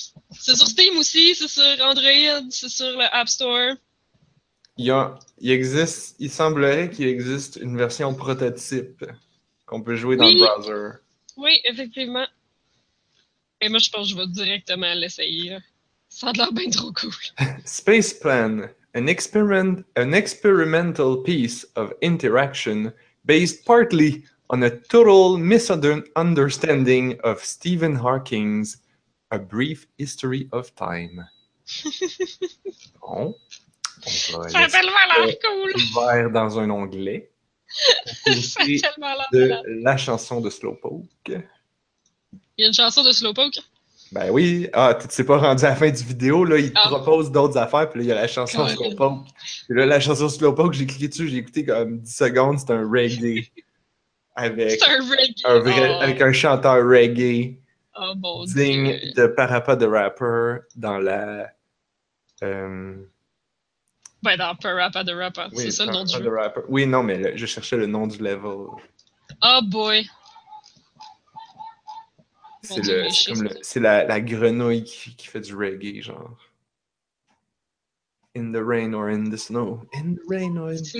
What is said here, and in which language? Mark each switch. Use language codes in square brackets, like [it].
[fr] C'est sur Steam aussi, c'est sur Android, c'est sur le App Store. Il semblerait qu'il existe une version prototype. On peut jouer dans le browser. Oui, effectivement. Et moi, je pense que je vais directement l'essayer. Ça a l'air bien trop cool. [en] Space Plan, an experimental piece of interaction based partly on a total misunderstanding of Stephen Hawking's A Brief History of Time. [fr] Bon. Ça a tellement l'air cool. Ouvert dans un onglet. C'est tellement de la chanson de Slowpoke. Il y a une chanson de Slowpoke? Ben oui. Ah, tu t'es pas rendu à la fin du vidéo, là. Il te propose d'autres affaires, puis là, il y a la chanson de Slowpoke. Puis là, la chanson de Slowpoke, j'ai cliqué dessus, j'ai écouté comme 10 secondes. C'est un reggae. C'est un reggae. Avec un chanteur reggae. Oh mon dieu. Digne de Parappa the Rapper dans la. Ben dans Parappa the Rapper, oui, c'est ça le nom du jeu. Rapper. Oui, non, mais je cherchais le nom du level. [en] Oh boy! [fr] C'est la grenouille qui fait du reggae, genre. [en] In the rain or in the snow. In the rain or in the snow.